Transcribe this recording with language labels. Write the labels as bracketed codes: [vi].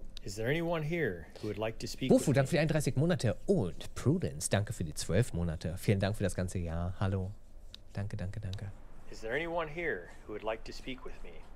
[en] Is there anyone here who would like to speak? [de] Wofu, danke für die 31 Monate und Prudence, danke für die 12 Monate. Vielen Dank für das ganze Jahr. Hallo. Danke, danke, danke. [en] Is there anyone here who would like to speak with me?